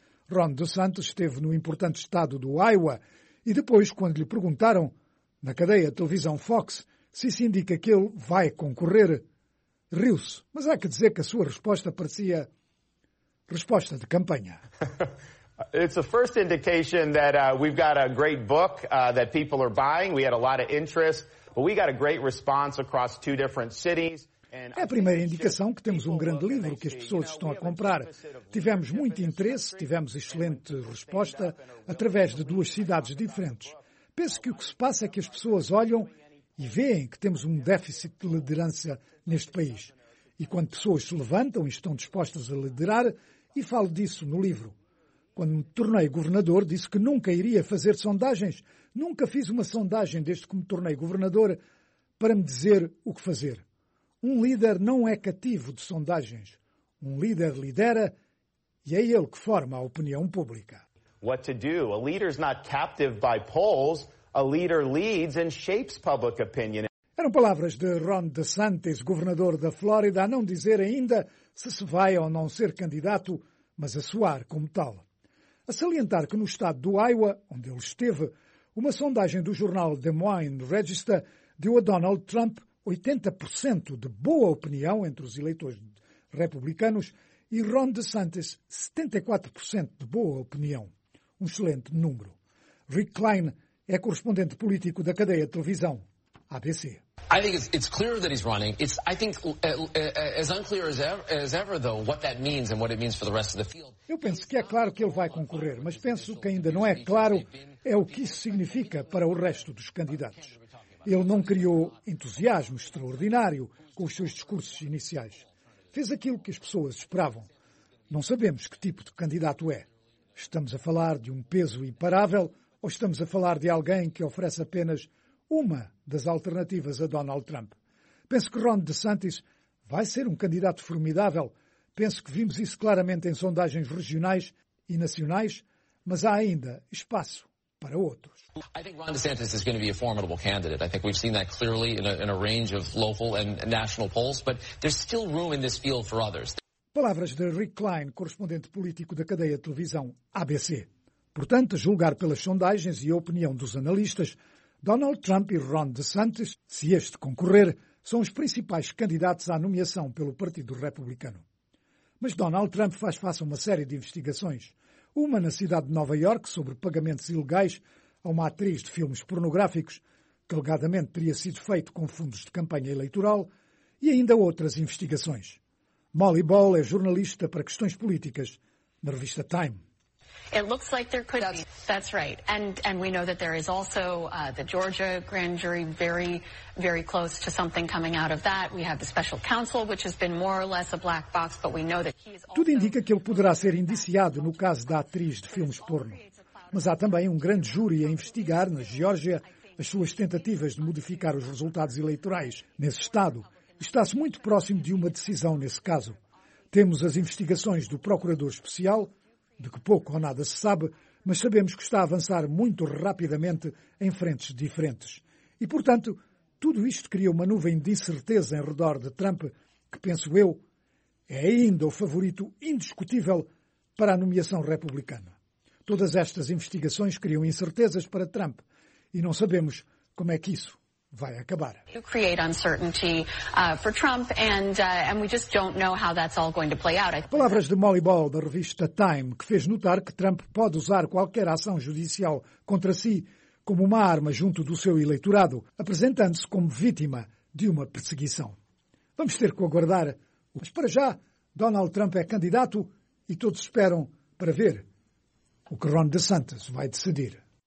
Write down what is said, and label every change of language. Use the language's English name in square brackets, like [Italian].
[Portuguese] Ron DeSantis esteve no importante estado do Iowa e depois, quando lhe perguntaram, na cadeia de televisão Fox, se isso indica que ele vai concorrer, riu-se. Mas há que dizer que a sua resposta parecia resposta de campanha. [English] It's a first indication that we've got a great book that people are buying. We had a lot of interest, but we got a great response across two different cities. [Portuguese] É a primeira indicação que temos um grande livro que as pessoas estão a comprar. Tivemos muito interesse, tivemos excelente resposta através de duas cidades diferentes. Penso que o que se passa é que as pessoas olham e veem que temos um déficit de liderança neste país. E quando pessoas se levantam e estão dispostas a liderar, e falo disso no livro. Quando me tornei governador, disse que nunca iria fazer sondagens. Nunca fiz uma sondagem desde que me tornei governador para me dizer o que fazer. Um líder não é cativo de sondagens. Um líder lidera e é ele que forma a opinião pública. [English] What to do? A leader is not captive by polls. A leader leads and shapes public opinion. [Portuguese] Eram palavras de Ron DeSantis, governador da Flórida, a não dizer ainda se se vai ou não ser candidato, mas a soar como tal. A salientar que no estado do Iowa, onde ele esteve, uma sondagem do jornal Des Moines Register deu a Donald Trump 80% de boa opinião entre os eleitores republicanos e Ron DeSantis 74% de boa opinião. Um excelente número. Rick Klein é correspondente político da cadeia de televisão ABC. [English] I think it's clear that he's running. It's, I think, as unclear as ever, though, what that means and what it means for the rest of the field. [Portuguese] Eu penso que é claro que ele vai concorrer, mas penso que ainda não é claro é o que isso significa para o resto dos candidatos. Ele não criou entusiasmo extraordinário com os seus discursos iniciais. Fez aquilo que as pessoas esperavam. Não sabemos que tipo de candidato é. Estamos a falar de um peso imparável ou estamos a falar de alguém que oferece apenas uma das alternativas a Donald Trump? Penso que Ron DeSantis vai ser um candidato formidável. Penso que vimos isso claramente em sondagens regionais e nacionais, mas há ainda espaço para outros. [English] I think Ron DeSantis is going to be a formidable candidate. I think we've seen that clearly in a range of local and national polls, but there's still room in this field for others. [Portuguese] Palavras de Rick Klein, correspondente político da cadeia de televisão ABC. Portanto, a julgar pelas sondagens e a opinião dos analistas, Donald Trump e Ron DeSantis, se este concorrer, são os principais candidatos à nomeação pelo Partido Republicano. Mas Donald Trump faz face a uma série de investigações. Uma na cidade de Nova York sobre pagamentos ilegais a uma atriz de filmes pornográficos, que alegadamente teria sido feito com fundos de campanha eleitoral, e ainda outras investigações. Molly Ball é jornalista para questões políticas na revista Time. [English] It looks like there could be. That's right. And we know that there is also the Georgia grand jury very, very close to something coming out of that. We have the special counsel, which has been more or less a black box, but we know that he is also... [Portuguese] Tudo indica que ele poderá ser indiciado no caso da atriz de filmes porno. Mas há também um grande júri a investigar, na Geórgia, as suas tentativas de modificar os resultados eleitorais nesse estado. Está-se muito próximo de uma decisão nesse caso. Temos as investigações do procurador especial, de que pouco ou nada se sabe, mas sabemos que está a avançar muito rapidamente em frentes diferentes. E, portanto, tudo isto cria uma nuvem de incerteza em redor de Trump, que, penso eu, é ainda o favorito indiscutível para a nomeação republicana. Todas estas investigações criam incertezas para Trump e não sabemos como é que isso vai acabar. [English] You create uncertainty for Trump and we just don't know how that's all going to play out. [Portuguese] Palavras de Molly Ball, da revista Time, que fez notar que Trump pode usar qualquer ação judicial contra si como uma arma junto do seu eleitorado, apresentando-se como vítima de uma perseguição. Vamos ter que aguardar. Mas para já, Donald Trump é candidato e todos esperam para ver o que Ron DeSantis vai decidir.